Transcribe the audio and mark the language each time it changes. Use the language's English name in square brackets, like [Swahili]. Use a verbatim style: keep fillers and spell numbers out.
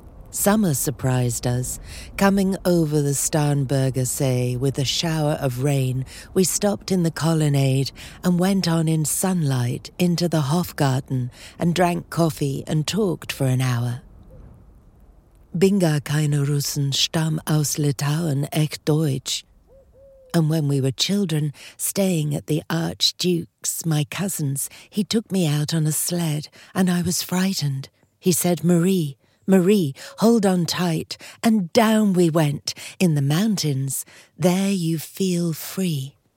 [English] Summer surprised us, coming over the Starnberger See with a shower of rain. We stopped in the colonnade and went on in sunlight into the Hofgarten and drank coffee and talked for an hour. [German] Bin gar keine Russen, stamm aus Litauen, echt Deutsch. [English] And when we were children, staying at the Archduke's, my cousin's, he took me out on a sled and I was frightened. He said, "Marie, Marie, hold on tight," and down we went. In the mountains, there you feel free.